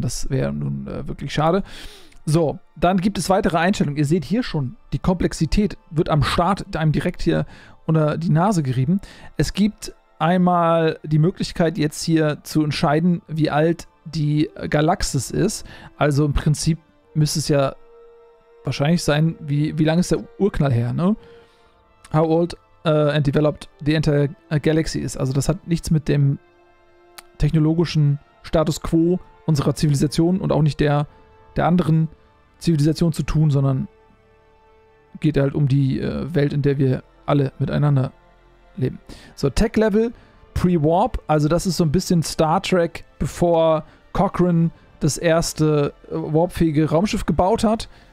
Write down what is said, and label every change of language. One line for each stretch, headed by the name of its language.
German: Das wäre nun wirklich schade. So, dann gibt es weitere Einstellungen. Ihr seht hier schon, die Komplexität wird am Start einem direkt hier unter die Nase gerieben. Es gibt einmal die Möglichkeit, jetzt hier zu entscheiden, wie alt die Galaxis ist. Also im Prinzip müsste es ja wahrscheinlich sein, wie lange ist der Urknall her, ne?
English: How old and developed the entire galaxy is.
German: Also das hat nichts mit dem technologischen Status quo unserer Zivilisation und auch nicht der anderen Zivilisation zu tun, sondern geht halt um die Welt, in der wir alle miteinander leben. So, Tech Level, Pre-Warp, also das ist so ein bisschen Star Trek, bevor Cochrane das erste warpfähige Raumschiff gebaut hat.